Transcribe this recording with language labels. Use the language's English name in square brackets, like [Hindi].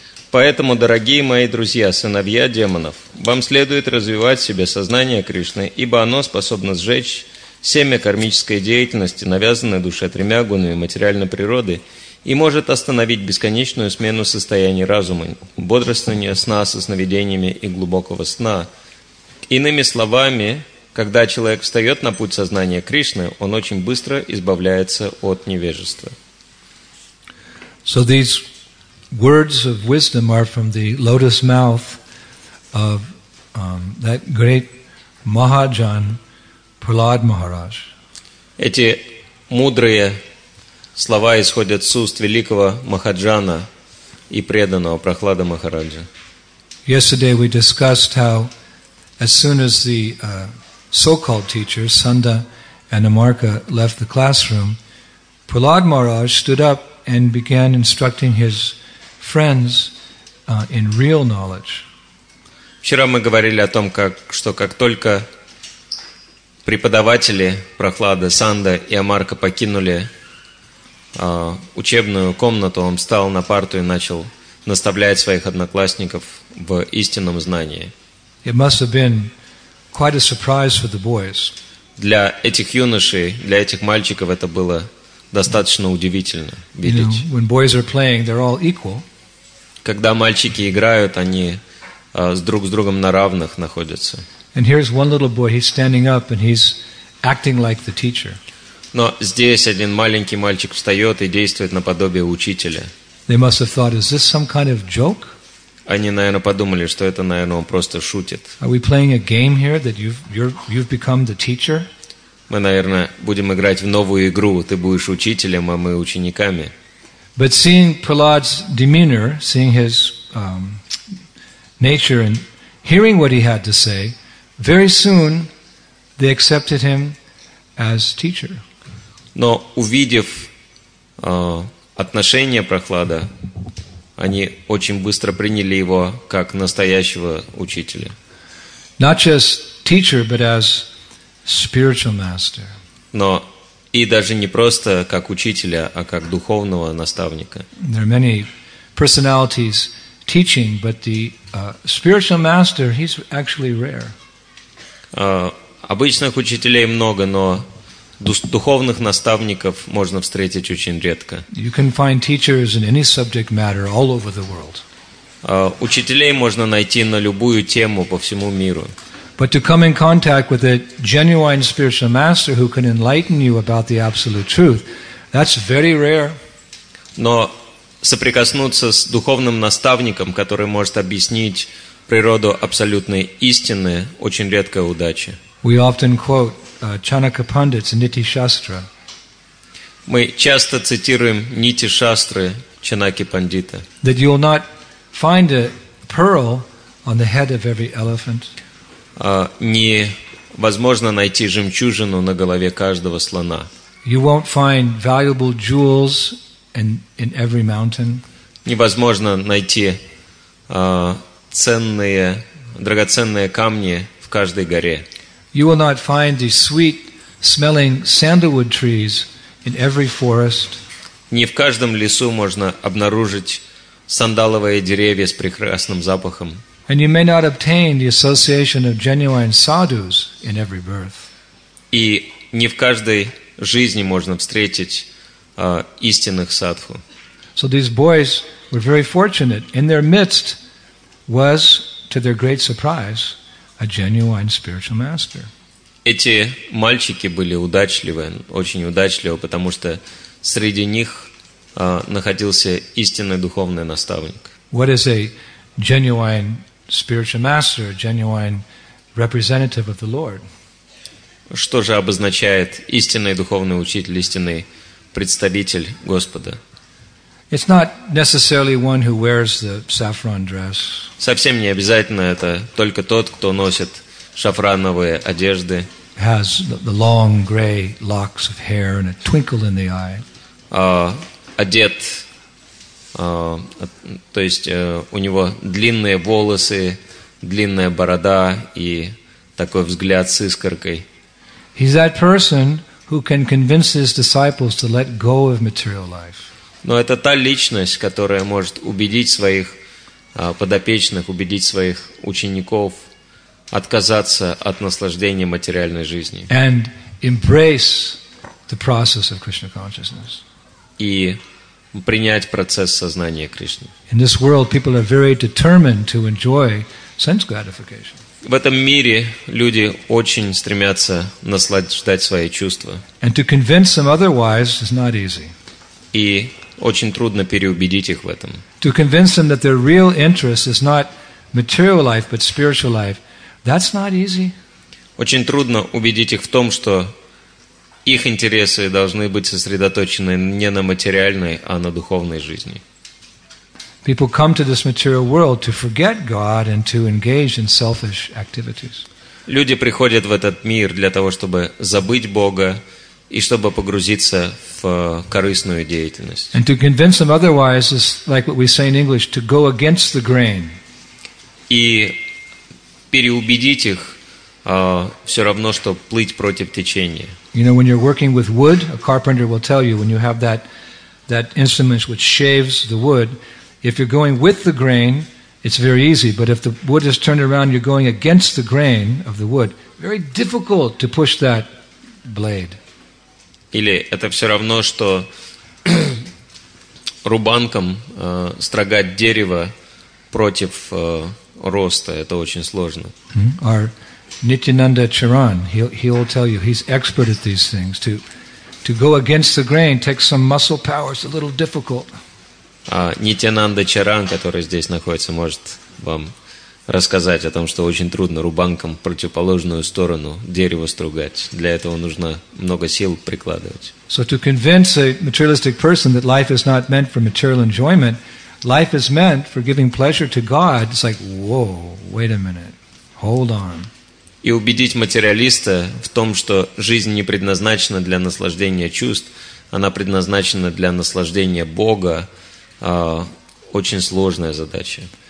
[Russian] Поэтому, дорогие мои друзья, сыновья демонов, вам следует развивать в себе сознание Кришны, ибо оно способно сжечь семя кармической деятельности, навязанной душе тремя гунами материальной природы, и может остановить бесконечную смену состояний разума, бодрствования, сна со сновидениями и глубокого сна. Иными словами, когда человек встает на путь сознания Кришны, он очень быстро избавляется от невежества. [English] So these words of wisdom are from the lotus mouth of that great Mahajan, Prahlad Maharaj. [Russian] Эти мудрые слова исходят с уст великого Махаджана и преданного Прахлада Махараджа. [English] Yesterday we discussed how as soon as the so-called teachers, Sanda and Amarka, left the classroom, Prahlad Maharaj stood up and began instructing his friends in real knowledge. [Russian] Вчера мы говорили о том, как только преподаватели Прахлада, Санда и Амарка покинули учебную комнату, он встал на парту и начал наставлять своих одноклассников в истинном знании. [English] It must have been quite a surprise for the boys. [Russian] Для этих юношей, для этих мальчиков это было достаточно удивительно видеть. [English] You know, when boys are playing, they're all equal. [Russian] Когда мальчики играют, они друг с другом на равных находятся. [English] And here's one little boy, he's standing up and he's acting like the teacher. [Russian] Но здесь один маленький мальчик встает и действует наподобие учителя. [English] They must have thought, is this some kind of joke? [Russian] Они, наверное, подумали, что это, наверное, он просто шутит. [English] Are we playing a game here that you've become the teacher? [Russian] Мы, наверное, будем играть в новую игру. Ты будешь учителем, а мы учениками. [English] But seeing Prahlad's demeanor, seeing his nature and hearing what he had to say, very soon they accepted him as teacher. [Russian] Но увидев отношение Прахлада, они очень быстро приняли его как настоящего учителя. [English] Not just teacher, but as spiritual master. [Russian] Но и даже не просто как учителя, а как духовного наставника. [English] There are many personalities teaching, but the spiritual master, he's actually rare. [Russian] Обычных учителей много, но духовных наставников можно встретить очень редко. [English] You can find teachers in any subject matter all over the world. [Russian] Учителей можно найти на любую тему по всему миру. [English] But to come in contact with a genuine spiritual master who can enlighten you about the absolute truth, that's very rare. [Russian] Но соприкоснуться с духовным наставником, который может объяснить природу абсолютной истины, очень редкая удача. [English] We often quote Chanaka Pandit's Niti Shastra. [Russian] Мы часто цитируем Нити Шастры Чанаки Пандита. [English] That you will not find a pearl on the head of every elephant. [Russian] Невозможно найти жемчужину на голове каждого слона. [English] You won't find valuable jewels in every mountain. [Russian] Невозможно найти драгоценные камни в каждой горе. [English] You will not find the sweet smelling sandalwood trees in every forest. [Russian] Не в каждом лесу можно обнаружить сандаловые деревья с прекрасным запахом. [English] And you may not obtain the association of genuine sadhus in every birth. [Russian] И не в каждой жизни можно встретить истинных садху. [English] So these boys were very fortunate. In their midst was, to their great surprise, a genuine spiritual master. [Russian] Эти мальчики были удачливы, очень удачливы, потому что среди них находился истинный духовный наставник. [English] What is a genuine spiritual master, a genuine representative of the Lord? [Russian] Что же обозначает истинный духовный учитель, истинный представитель Господа? [English] It's not necessarily one who wears the saffron dress. [Russian] Совсем не обязательно это только тот, кто носит шафрановые одежды. [English] Has the long gray locks of hair and a twinkle in the eye. [Russian] Одет, то есть у него длинные волосы, длинная борода и такой взгляд с искоркой. [English] He's that person who can convince his disciples to let go of material life. [Russian] Но это та личность, которая может убедить своих подопечных, убедить своих учеников отказаться от наслаждения материальной жизни. [English] And embrace the process of Krishna consciousness. [Russian] И принять процесс сознания Кришны. [English] In this world, people are very determined to enjoy sense gratification. [Russian] В этом мире люди очень стремятся наслаждать свои чувства. [English] And to convince them otherwise is not easy. [Russian] И очень трудно переубедить их в этом. [English] To convince them that their real interest is not material life, but spiritual life, that's not easy. [Russian] Очень трудно убедить их в том, что их интересы должны быть сосредоточены не на материальной, а на духовной жизни. [English] People come to this material world to forget God and to engage in selfish activities. [Russian] Люди приходят в этот мир для того, чтобы забыть Бога и чтобы погрузиться в корыстную деятельность. [English] And to convince them otherwise is like what we say in English, to go against the grain. [Russian] И переубедить их все равно, что плыть против течения. [English] You know, when you're working with wood, a carpenter will tell you, when you have that instrument which shaves the wood, if you're going with the grain, it's very easy. But if the wood is turned around, you're going against the grain of the wood. Very difficult to push that blade. [Russian] Или это все равно, что рубанком строгать дерево против роста. Это очень сложно. [English] Or Nityananda Charan, he'll tell you, he's expert at these things. To go against the grain takes some muscle power. It's a little difficult. [Russian] Нитянанда Чаран, который здесь находится, может вам рассказать о том, что очень трудно рубанком в противоположную сторону дерево стругать. Для этого нужно много сил прикладывать. [English] So to convince a materialistic person that life is not meant for material enjoyment, life is meant for giving pleasure to God, it's like, whoa, wait a minute, hold on. [Russian] И убедить материалиста в том, что жизнь не предназначена для наслаждения чувств, она предназначена для наслаждения Бога, очень сложная задача.